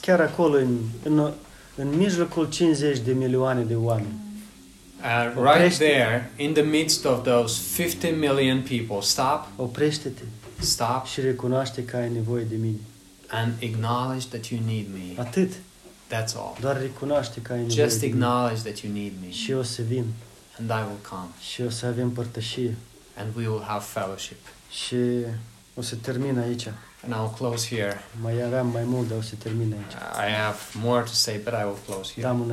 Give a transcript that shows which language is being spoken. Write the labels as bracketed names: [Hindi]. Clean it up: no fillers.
[Romanian] Chiar acolo în mijlocul 50 de milioane de oameni. [English] Right there in the midst of those 50 million people, stop. [Romanian] Oprește-te. [English] Stop. [Romanian] Și recunoaște că ai nevoie de mine. [English] And acknowledge that you need me. [Romanian] Atât. [English] That's all. [Romanian] Doar recunoaște că ai nevoie. [English] Just acknowledge that you need me. [Romanian] Și o să vin. [English] And I will come. [Romanian] Și o să avem părtășie. [English] And we will have fellowship. [Romanian] Și o să termin aici. [English] And I'll close here. [Romanian] Mai aveam mai mult, dar o să termin aici. [English] I have more to say, but I will close here.